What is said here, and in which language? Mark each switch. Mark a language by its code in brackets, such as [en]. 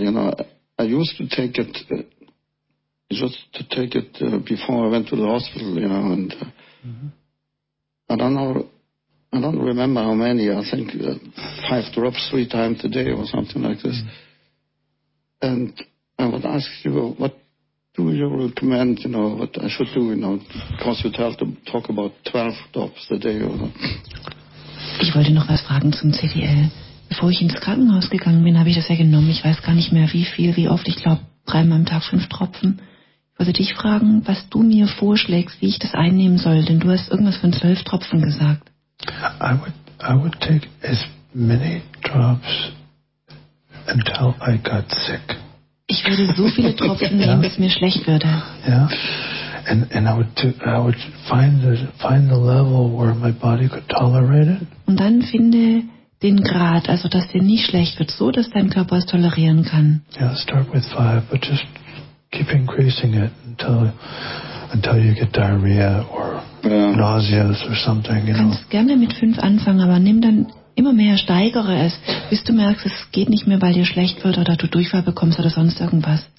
[en] You know, I used to take it, before I went to the hospital, you know, and I don't know, I don't remember how many, I think 5 drops 3 times a day or something like this. Mm-hmm. And I would ask you, what do you recommend, you know, what I should do, you know, because you tell to talk about 12 drops a day or something. [de] Ich wollte noch was fragen zum CDL. Bevor ich ins Krankenhaus gegangen bin, habe ich das ja genommen. Ich weiß gar nicht mehr, wie viel, wie oft. Ich glaube, 3 am Tag 5 Tropfen. Ich wollte dich fragen, was du mir vorschlägst, wie ich das einnehmen soll. Denn du hast irgendwas von 12 Tropfen gesagt. [en] I would take as many drops until I got sick. [de] Ich würde so viele Tropfen nehmen, bis mir schlecht würde. [en] Yeah. And I would find the level where my body could tolerate it. [de] Und dann finde den Grad, also dass dir nicht schlecht wird, so dass dein Körper es tolerieren kann. [en] Yeah, start with 5, but just keep increasing it until you get diarrhea or nauseas or something. [de] Du kannst gerne mit 5 anfangen, aber nimm dann immer mehr, steigere es, bis du merkst, es geht nicht mehr, weil dir schlecht wird oder du Durchfall bekommst oder sonst irgendwas.